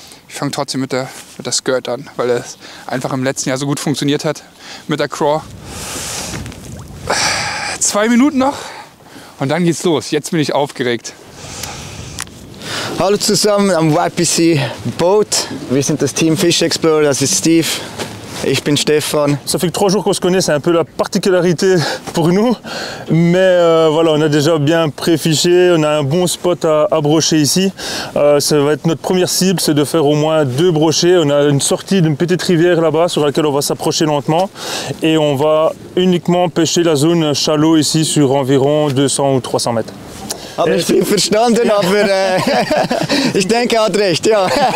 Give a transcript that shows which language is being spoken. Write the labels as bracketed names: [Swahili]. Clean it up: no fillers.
[German] Ich fange trotzdem mit der Skirt an, weil das einfach im letzten Jahr so gut funktioniert hat mit der Craw. 2 Minuten noch und dann geht's los. Jetzt bin ich aufgeregt. Hallo zusammen am YPC Boat. Wir sind das Team Fish Explorer, das ist Steve. Ich bin Stefan. [French] Ça fait 3 jours qu'on se connaît, c'est un peu la particularité pour nous. Mais voilà, on a déjà bien pré-fiché, on a un bon spot à brocher ici. Ça va être notre première cible, c'est de faire au moins 2 brochets. On a une sortie d'une petite rivière là-bas sur laquelle on va s'approcher lentement. Et on va uniquement pêcher la zone shallow ici sur environ 200 ou 300 mètres. [German] Habe ich viel verstanden, aber ich denke, er hat recht, ja.